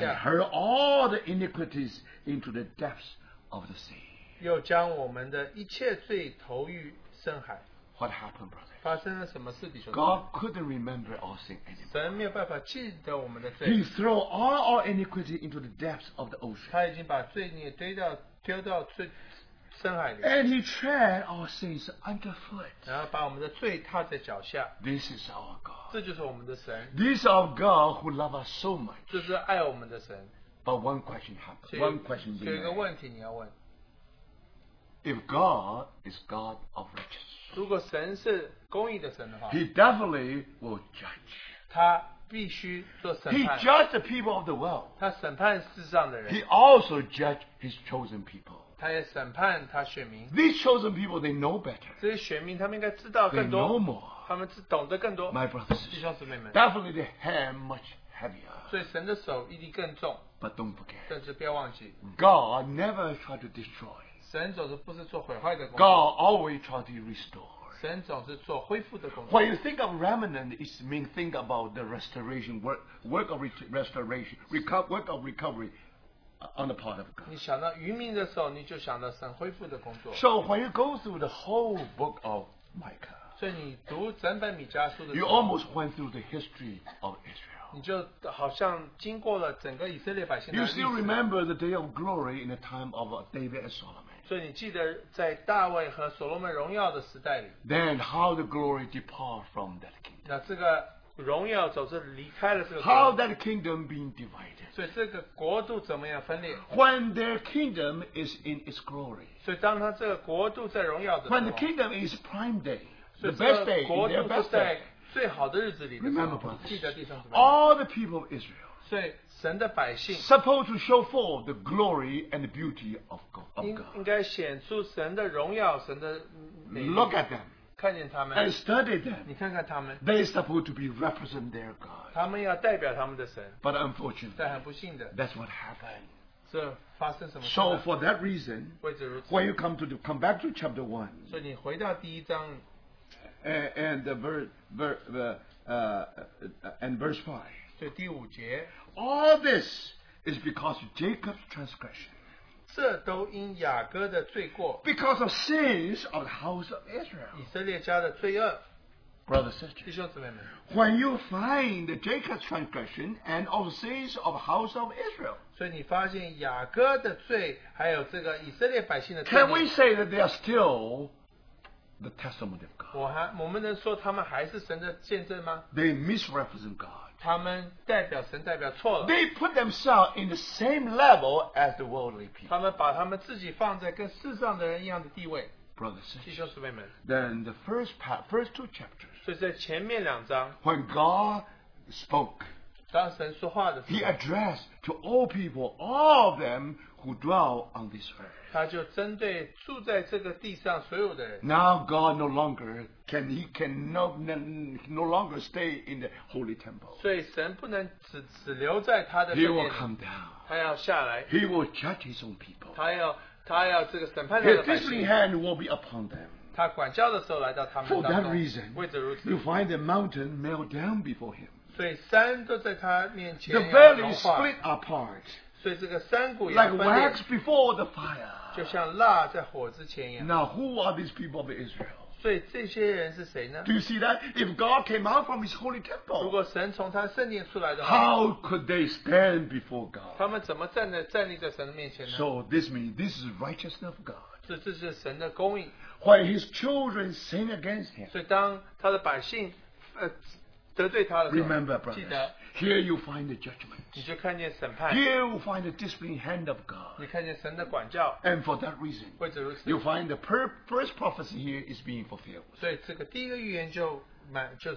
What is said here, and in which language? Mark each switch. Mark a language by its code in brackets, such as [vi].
[en] And hurl all the iniquities into the depths of the sea. [zh] 又将我们的一切罪投于深海。 [en] What happened, brother? [zh] 发生了什么事，弟兄？ [en] God couldn't remember our sin anymore. [zh] 神没有办法记得我们的罪。 [en] He threw all our iniquity into the depths of the ocean. [zh] 他已经把罪孽丢到最 [en] And he tread our sins underfoot. [zh] 然后把我们的罪踏在脚下。 [en] This is our God. [zh] 这就是我们的神。 [en] This is our God who loves us so much. [zh] 这是爱我们的神。 [en] But one question happens. One question. [zh] 有一个问题你要问。 [en] If God is God of righteousness, [zh] 如果神是公义的神的话 [en] ，He definitely will judge. [zh] 他必须做审判。 [en] He judged the people of the world. [zh] 他审判世上的人。 [en] He also judged His chosen people. [zh] 他也审判他选民。 [en] These chosen people they know better. [zh] 这些选民他们应该知道更多。 [en] They know more. [zh] 他们懂得更多。 [en] My brothers, [zh] 弟兄姊妹们。 [en] Definitely the hand much heavier. [zh] 所以神的手一定更重。 [en] But don't forget. [zh] 但是不要忘记。 [en] God never try to destroy. [zh] 神总是不是做毁坏的工作。 [en] God always try to restore. [zh] 神总是做恢复的工作。 [en] When you think of remnant, it means think about the restoration work of restoration work of recovery. on the part of God. [zh] 你想到渔民的时候, 你就想到神恢复的工作。 [en] So when you go through the whole book of Micah, [zh] 所以你读整本米迦书的时候, [en] you almost went through the history of Israel. [zh] 你就好像经过了整个以色列百姓的历史。 [en] You still remember the day of glory in the time of David and Solomon. [zh] 所以你记得在大卫和所罗门荣耀的时代里。 [en] Then how the glory depart from that kingdom. [zh] 那这个 荣耀总是离开了这个国, [en] How that kingdom being divided? [zh] 所以这个国度怎么样分裂? [en] When their kingdom is in its glory, [zh] 所以当他这个国度在荣耀的时候, [en] When the kingdom is prime day, the best day, their best day, [zh] 最好的日子里的时候, [en] Remember, brothers, [zh] 记得地上怎么样? [en] All the people of Israel, [zh] 所以神的百姓, [en] supposed to show forth the glory and the beauty of God. [zh] 应该显出神的荣耀, 神的美丽, [en] Look at them. And study them. [zh] 你看看他们, [en] they are supposed to be represent their God. [zh] 他们要代表他们的神, [en] but unfortunately, [zh] 但很不幸的, [en] that's what happened. [zh] 这发生什么事呢? [en] So for that reason, [zh] 为止如此, [en] when you come back to chapter 1, [zh] 所以你回到第一章, [en] and verse 5, [zh] 对第五节, [en] all this is because of Jacob's transgression. Because of sins of the house of Israel. [zh] 以色列家的罪恶, [en] Brother, sister, [zh] 弟兄姊妹们, [en] when you find Jacob's transgression and of sins of the house of Israel, [zh] 所以你发现雅各的罪还有这个以色列百姓的罪, [en] can we say that they are still the testimony of God? [zh] 我们能说他们还是神的见证吗? [en] They misrepresent God. [zh] 他们代表神代表错了, [en] they put themselves in the same level as the worldly people. Brother, sister, [zh] 弟兄姊妹们, [en] then the first two chapters, [zh] 所以在前面两章, [en] when God spoke, [zh] 当神说话的时候, [en] He addressed to all people, all of them who dwell on this earth. [zh] 他就针对住在这个地上所有的人, [en] now God no longer stay in the holy temple. [zh] 所以神不能只留在他的身边, [en] He will come down. [zh] 他要下来, [en] He will judge His own people. [zh] 他要这个审判他的百姓, [en] His fiercely hand will be upon them. [zh] 他管教的时候来到他们当中, [en] For that reason, [zh] 为着如此, [en] you find the mountain melt down before Him. [zh] 所以山都在他面前, [en] the valley split apart. [zh] 所以这个山谷也分裂, [en] like wax before the fire. [zh] 就像蜡在火之前一样, [en] now who are these people of Israel? [zh] 所以这些人是谁呢? [en] Do you see that? If God came out from His holy temple, [zh] 如果神从他圣殿出来的话, [en] how could they stand before God? [zh] 他们怎么站立在神的面前呢? [en] So this means this is righteousness of God. [zh] 这是神的公义, [en] when His children sin against Him, [zh] 所以当他的百姓, 得罪他的时候, [en] remember, brothers, [zh] 记得, [en] here you find the judgment. [zh] 你就看见审判, [en] here you find the disciplining hand of God. [zh] 你看见神的管教, [en] and for that reason, [zh] 或者如此, [en] you find the first prophecy here is being fulfilled. [zh] 所以这个第一个预言就满,